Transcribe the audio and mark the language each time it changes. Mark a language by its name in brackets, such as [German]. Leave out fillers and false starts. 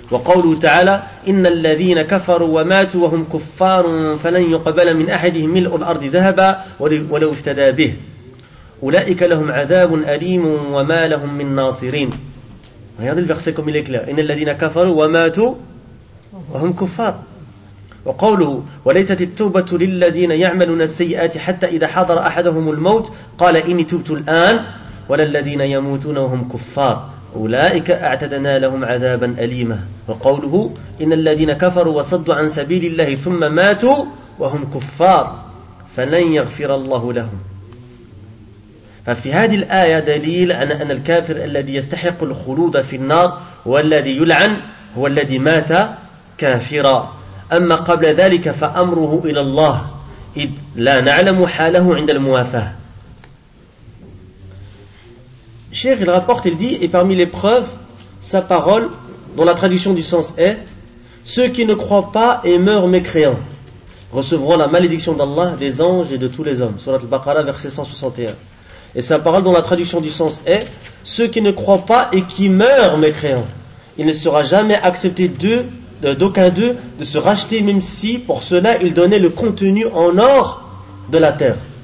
[Arabic] وقوله تعالى إن الذين كفروا وماتوا وهم كفار فلن يقبل من أحدهم ملء الأرض ذهبا ولو افتدى به أولئك لهم عذاب أليم وما لهم من ناصرين. [French] Regardez le verset comme il est clair. [Arabic] إن الذين كفروا وماتوا وهم كفار. وقوله وليست التوبة للذين يعملون السيئات حتى إذا حضر أحدهم الموت قال إني تبت الآن ولا الذين يموتون وهم كفار أولئك أعتدنا لهم عذابا أليما. وقوله إن الذين كفروا وصدوا عن سبيل الله ثم ماتوا وهم كفار فلن يغفر الله لهم. ففي هذه الآية دليل على أن الكافر الذي يستحق الخلود في النار والذي يلعن هو الذي مات كافرا، أما قبل ذلك فأمره إلى الله إذ لا نعلم حاله عند الموافاة. [French] Cheikh il rapporte, il dit, et parmi les preuves, sa parole, dont la traduction du sens est, ceux qui ne croient pas et meurent mécréants recevront la malédiction d'Allah, des anges et de tous les hommes. Surat al-Baqarah, verset 161. Et sa parole dont la traduction du sens est, ceux qui ne croient pas et qui meurent mécréants, il ne sera jamais accepté d'aucun d'eux de se racheter, même si pour cela ils donnaient le contenu en or de la terre.